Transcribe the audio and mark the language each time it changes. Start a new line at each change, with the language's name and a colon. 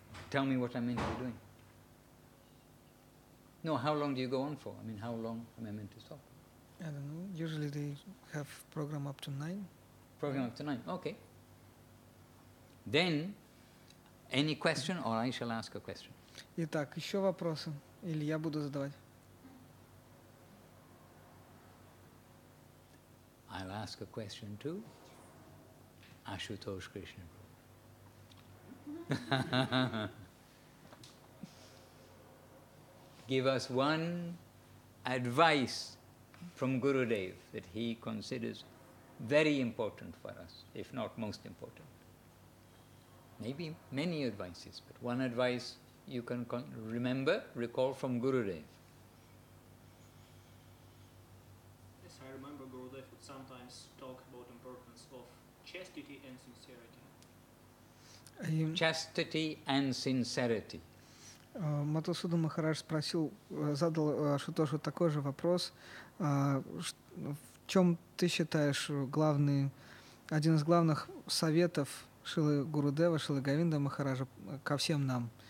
English: Tell me what I'm meant to be doing. No, how long do you go on for? I mean, how long am I meant to stop? I don't know. Usually they have program up to 9. Program up to 9, okay. Then, any question or I shall ask a question.
Russian: Итак, еще вопросы, или я буду задавать?
English: I'll ask a question to Ashutosh Krishna. Give us one advice from Gurudev that he considers very important for us, if not most important. Maybe many advices, but one advice you can recall from Gurudev. Yes, I remember Gurudev would sometimes talk about the importance of chastity and sincerity. Chastity and sincerity.
Russian: Матусуда Махарадж спросил, задал Ашутошу такой же вопрос. В чем ты считаешь один из главных советов Шрилы Гурудева, Шрилы Говинда Махараджа ко всем нам?